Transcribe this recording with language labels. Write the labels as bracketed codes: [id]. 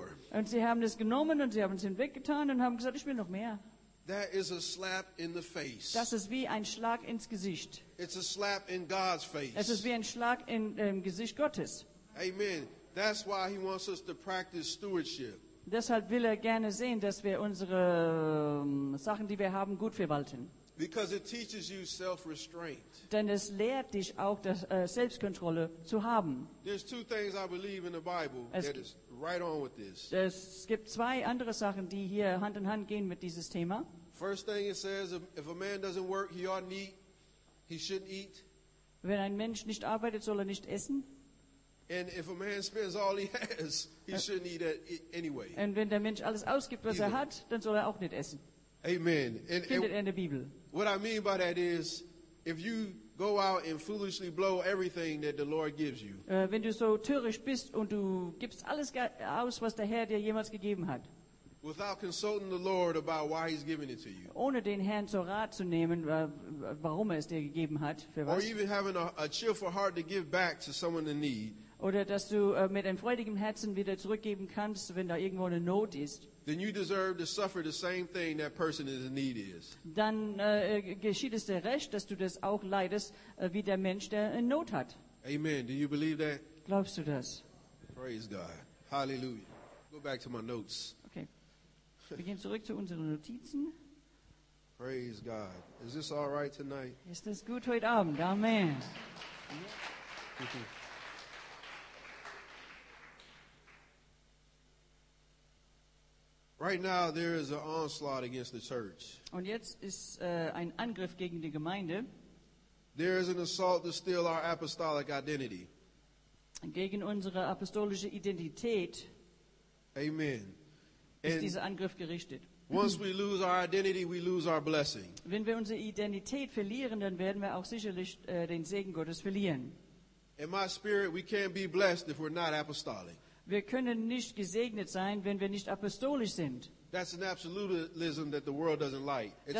[de] Und sie haben es genommen und sie haben es hinweggetan und haben gesagt, ich will noch mehr. [en] That is a slap in the face. [de] Das ist wie ein Schlag ins Gesicht. [en] It's a slap in God's face. [de] Es ist wie ein Schlag in dem Gesicht Gottes. [en] Amen. That's why he wants us to practice stewardship. [de] Deshalb will er gerne sehen, dass wir unsere Sachen, die wir haben, gut verwalten. [en] Because it teaches you self-restraint. [de] Denn es lehrt dich auch, das Selbstkontrolle zu haben. [en] There's two things I believe in the Bible that is right on with this. [de] Es gibt zwei andere Sachen, die hier Hand in Hand gehen mit dieses Thema. [en] First thing it says, if a man doesn't work, he oughtn't eat. He shouldn't eat. [de] Wenn ein Mensch nicht arbeitet, soll er nicht essen. [en] And if a man spends all he has, he shouldn't eat it anyway. [de] Und wenn der Mensch alles ausgibt, was er hat, dann soll er auch nicht essen. [en] Amen. [de] Findet er in der Bibel. [en] What I mean by that is, if you go out and foolishly blow everything that the Lord gives you. [de] Wenn du so töricht bist und du gibst alles aus, was der Herr dir jemals gegeben hat. [en] Without consulting the Lord about why he's giving it to you. [de] Ohne den Herrn zur Rat zu nehmen, warum er es dir gegeben hat, für was. [en] Or even having a cheerful heart to give back to someone in need. [de] Oder dass du mit einem freudigen Herzen wieder zurückgeben kannst, wenn da irgendwo eine Not ist. [en] Then you deserve to suffer the same thing that person is in need is. [de] Dann geschieht es dir recht, dass du das auch leidest, wie der Mensch, der in Not hat. [en] Amen. Do you believe that? [de] Glaubst du das? [en] Praise God. Hallelujah. Go back to my notes. [de] Okay. Wir gehen zurück zu unseren Notizen. [en] Praise God. Is this all right tonight? [de] Ist das gut heute Abend? Amen. [en] Right now there is an onslaught against the church. [de] Und jetzt ist ein Angriff gegen die Gemeinde. [en] There is an assault to steal our apostolic identity. [de] Gegen unsere apostolische Identität. [en] Amen. [de] Ist dieser Angriff gerichtet. [en] Once we lose our identity, we lose our blessing. [de] Wenn wir unsere Identität verlieren, dann werden wir auch sicherlich den Segen Gottes verlieren. [en] In my spirit, we can't be blessed if we're not apostolic. [de] Wir können nicht gesegnet sein, wenn wir nicht apostolisch sind. [en] That's an absolutism that the world doesn't like.